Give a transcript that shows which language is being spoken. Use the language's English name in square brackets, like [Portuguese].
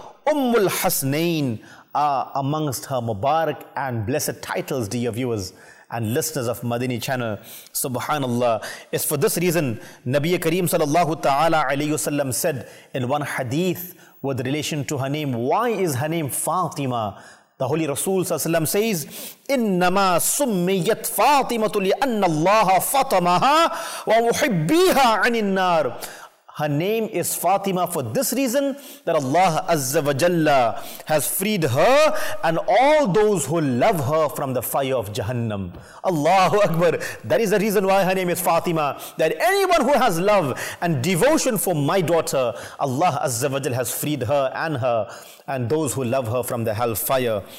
[English] Ummul Hasnain, are amongst her Mubarak and blessed titles, dear viewers and listeners of Madini Channel. Subhanallah. It's for this reason Nabi Kareem sallallahu ta'ala alayhi wasallam said in one hadith with relation to her name. Why is her name Fatima? The Holy Rasul says, [Arabic] إِنَّمَا سُمِّيَتْ فَاطِمَةُ لِأَنَّ اللَّهَ فَطَمَهَا وَمُحِبِّيهَا عَنِ النَّارِ. [English] Her name is Fatima for this reason, that Allah Azza wa Jalla has freed her and all those who love her from the fire of Jahannam. Allahu Akbar. That is the reason why her name is Fatima. That anyone who has love and devotion for my daughter, Allah Azza wa Jalla has freed her and her and those who love her from the hellfire.